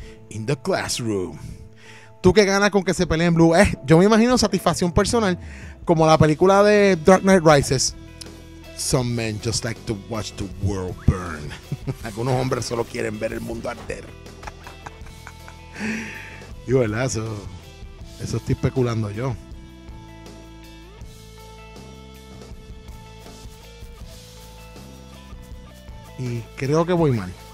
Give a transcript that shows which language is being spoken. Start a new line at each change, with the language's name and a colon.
English: In the classroom.
Spanish: ¿Tú qué ganas con que se peleen Blue? Yo me imagino satisfacción personal, como la película de Dark Knight Rises.
English: Some men just like to watch the world burn.
Spanish: Algunos hombres solo quieren ver el mundo arder. Y verdad, eso estoy especulando yo. Y creo que voy mal.